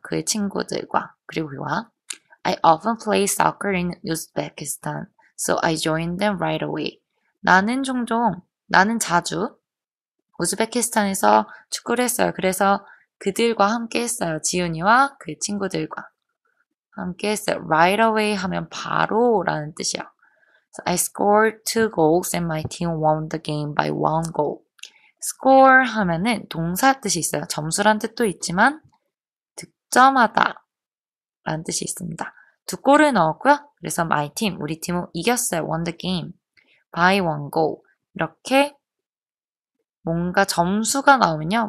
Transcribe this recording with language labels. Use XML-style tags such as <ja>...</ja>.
<ko>그의 친구들과. 그리고 그와.</ko> <en>I often play soccer in Uzbekistan. So I joined them right away.</en> <ko>나는 자주 우즈베키스탄에서 축구를 했어요. 그래서 그들과 함께 했어요. 지훈이와 그 친구들과 함께 했어요. Right away 하면 바로라는 뜻이야.</ko> <en>So I scored two goals and my team won the game by one goal.</en> <ko>Score 하면은 동사 뜻이 있어요. 점수란 뜻도 있지만 득점하다라는 뜻이 있습니다. 두 골을 넣었고요. 그래서 my team, 우리 팀은 이겼어요.</ko> <en>won the game by one goal.</en> <ko>이렇게 뭔가 점수가 나오면요.</ko>